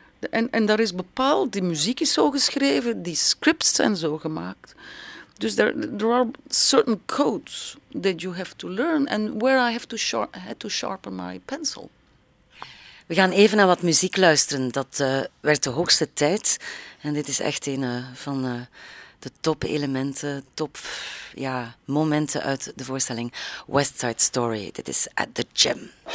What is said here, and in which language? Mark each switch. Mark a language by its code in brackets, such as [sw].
[nl] En daar is bepaald, die muziek is zo geschreven, die scripts zijn zo gemaakt. [en] Dus there are certain codes that you have to learn and where I have to sharpen my pencil. [nl] We gaan even naar wat muziek luisteren. Dat werd de hoogste tijd. En dit is echt een van de top-elementen, top-momenten uit de voorstelling West Side Story. Dit is At the Gym.